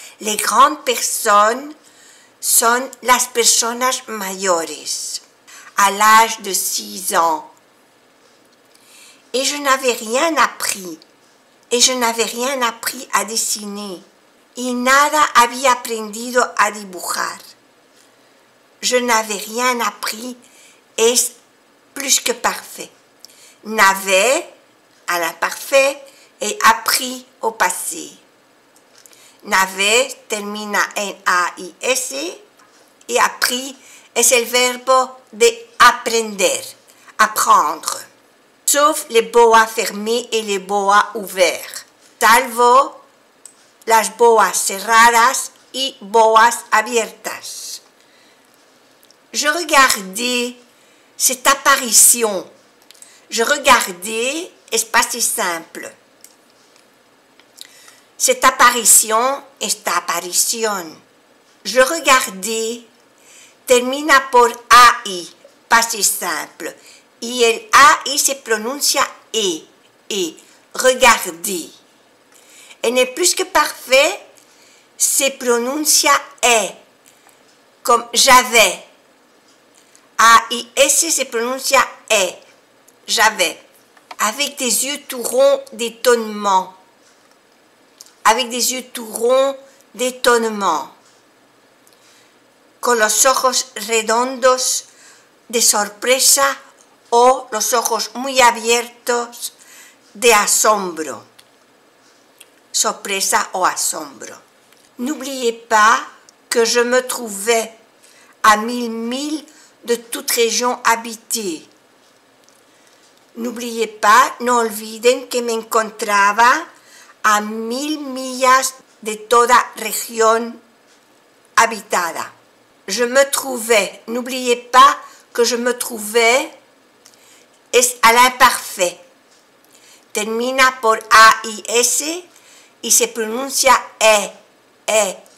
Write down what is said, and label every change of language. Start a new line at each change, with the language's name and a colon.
French: Les grandes personnes
Spanish: son las personas mayores,
French: à l'âge de 6 ans. Et je n'avais rien appris. Et je n'avais rien appris à dessiner.
Spanish: Y nada había aprendido a dibujar.
French: Je n'avais rien appris es plus que parfait. N'avais, à l'imparfait, et appris au passé.
Spanish: N'avais termina en A-I-S et appris es el verbo de aprender, apprendre.
French: Sauf les boas fermés et les boas ouverts.
Spanish: Salvo las boas cerradas y boas abiertas.
French: Je regardais cette apparition. Je regardais, c'est pas si simple. Cette apparition,
Spanish: esta aparición.
French: Je regardais,
Spanish: termina por AI,
French: pas si simple.
Spanish: Y el AI se pronuncia E, E, regardez. En el plus que parfait, se pronuncia E,
French: comme j'avais.
Spanish: AIS se pronuncia E, j'avais.
French: Avec des yeux tout ronds d'étonnement. Avec des yeux tout ronds d'étonnement.
Spanish: Con los ojos redondos de sorpresa o los ojos muy abiertos de asombro. Sorpresa o asombro.
French: N'oubliez pas que je me trouvais à 1000 milles de toute région habitée. N'oubliez pas,
Spanish: no olviden que me encontraba a 1000 millas de toda región habitada.
French: Je me trouvais, n'oubliez pas que je me trouvais, es a l'imparfait.
Spanish: Termina por A-I-S y se pronuncia E, E.